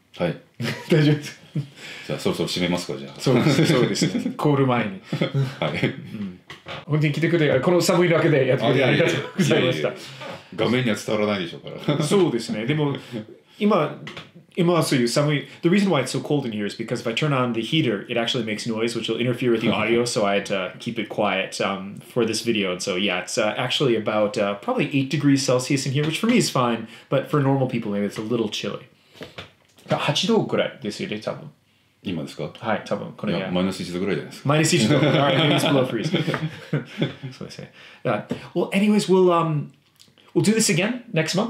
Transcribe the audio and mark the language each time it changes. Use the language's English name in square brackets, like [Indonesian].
[Japanese] はい大丈夫です。じゃあそろそろ締めますか。じゃあそうですね、コール前にはい、うん、本当に来てくれこの寒いわけでやってくれてありがとうございました。いやいやいや、画面には伝わらないでしょうからそうですね、でも今はそういう寒い。 [English] The reason why it's so cold in here is because if I turn on the heater, it actually makes noise, which will interfere with the audio, so I had to keep it quiet、for this video. And so yeah, it's、actually about、probably 8 degrees Celsius in here, which for me is fine, but for normal people maybe it's a little chilly. [Japanese] 8度ぐらいですよね、多分。今ですか？はい、多分これ。いや、マイナス1度ぐらいじゃないですか。マイナス1度。 [English] All right, maybe it's below freeze. [Japanese] そうですね。 [English] Well, anyways, we'll do this again next month.